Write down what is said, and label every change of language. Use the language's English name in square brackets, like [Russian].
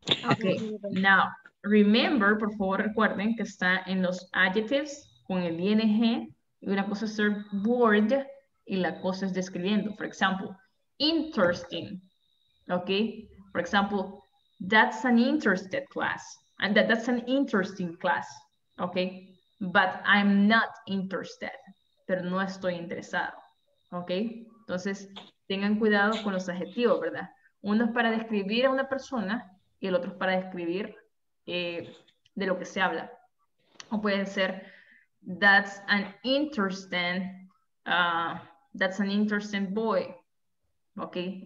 [English] Okay, now remember, [Spanish] por favor, recuerden que está en los adjectives con el ing, y una cosa es ser bored y la cosa es describiendo. [English] For example, interesting, okay? For example, that's an interested class, and that's an interesting class, okay? But I'm not interested, [Spanish] pero no estoy interesado, [English] okay? [Spanish] Entonces, tengan cuidado con los adjetivos, ¿verdad? Uno es para describir a una persona y el otro es para describir de lo que se habla. O puede ser, [English] that's an interesting boy, okay?